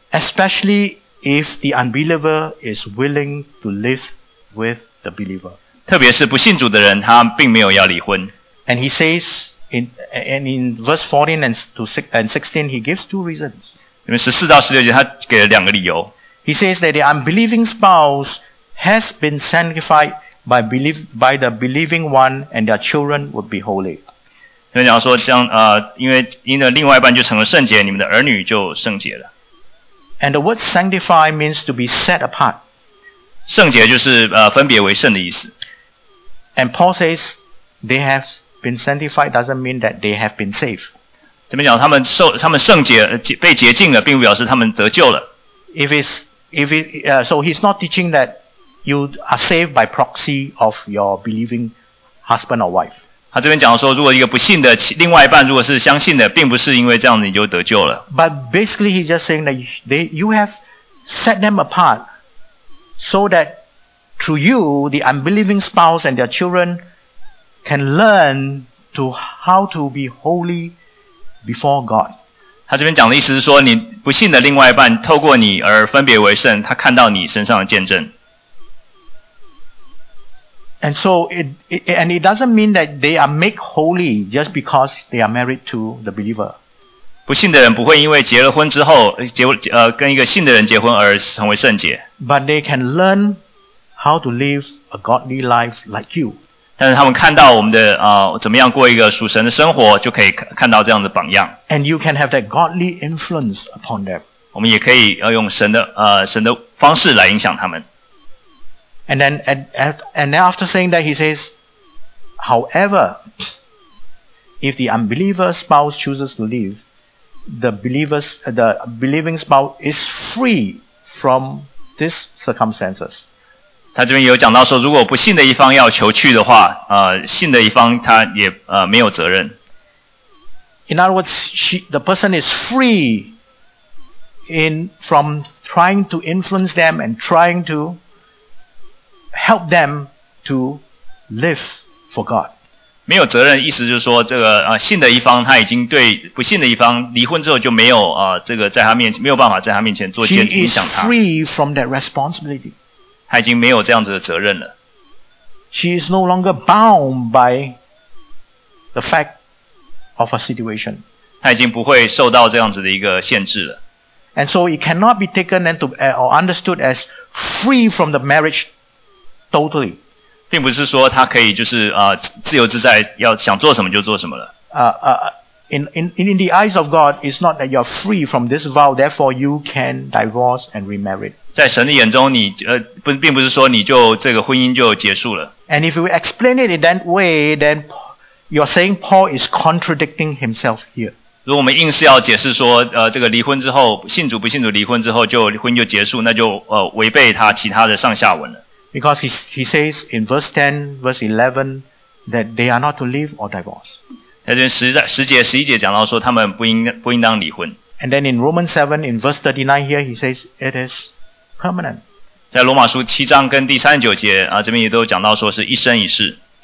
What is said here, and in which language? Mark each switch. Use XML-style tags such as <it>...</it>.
<en>Especially. If the unbeliever is willing to live with the believer.</en> <zh>特别是不信主的人，他并没有要离婚。</zh> <en>And he says, in verse 14 and 16, he gives two reasons.</en> <zh>因为14到16节他给了两个理由。</zh> <en>He says that the unbelieving spouse has been sanctified by the believing one and their children would be holy.</en> <zh>因为讲说这样因为另外一半就成了圣洁，你们的儿女就圣洁了。</zh> <en>And the word sanctify means to be set apart.</en> <zh>圣洁就是分别为圣的意思。</zh> <en>And Paul says they have been sanctified doesn't mean that they have been saved.</en> <zh>怎么讲？他们圣洁被洁净了，并不表示他们得救了。</zh> <en>So he's not teaching that you are saved by proxy of your believing husband or wife.</en> <zh>他这边讲说，如果一个不信的另外一半如果是相信的，并不是因为这样你就得救了。</zh> <en>But basically, he's just saying that you have set them apart so that through you, the unbelieving spouse and their children can learn to how to be holy before God.</en> <zh>他这边讲的意思是说，你不信的另外一半透过你而分别为圣，他看到你身上的见证。</zh> <en>And so it doesn't mean that they are made holy just because they are married to the believer.</en> <zh>不信的人不会因为结了婚之后跟一个信的人结婚而成为圣洁。</zh> <en>But they can learn how to live a godly life like you.</en> <zh>但是他们看到我们的怎么样过一个属神的生活，就可以看到这样的榜样。</zh> <en>And you can have that godly influence upon them.</en> <zh>我们也可以用神的方式来影响他们。</zh> <en>And then, and then after saying that, he says, however, if the unbeliever spouse chooses to leave, the believing spouse is free from these circumstances.</en> <zh>他这边有讲到说，如果不信的一方要求去的话，信的一方他也没有责任。</zh> <en>In other words, the person is free in from trying to influence them and trying to help them to live for God.</en> <zh>没有责任，意思就是说，这个信的一方他已经对不信的一方离婚之后就没有这个在他面前没有办法在他面前做见证影响他。</zh> <en>She is free from that responsibility.</en> <zh>他已经没有这样子的责任了。</zh> <en>She is no longer bound by the fact of her situation.</en> <zh>他已经不会受到这样子的一个限制了。</zh> <en>And so it cannot be taken into or understood as free from the marriage totally.</en> <zh>并不是说他可以就是自由自在要想做什么就做什么了。</zh> <en>In the eyes of God, it's not that you're free from this vow, therefore you can divorce and remarry.</en> <zh>在神的眼中你并不是说你就这个婚姻就结束了。</zh> <en>And if you explain it in that way, then you're saying Paul is contradicting himself here.</en> <zh>如果我们硬是要解释说这个离婚之后信主不信主离婚之后就婚姻就结束，那就违背他其他的上下文了。</zh> <en>Because he says in verse 10, verse 11, that they are not to live or divorce.</en> <zh>在这边十节讲到说他们不应当离婚。</zh> <en>And then in Romans 7, in verse 39 here, he says it is permanent.</en> <zh>在罗马书七章跟第三十九节这边也都讲到说是一生一世。</zh>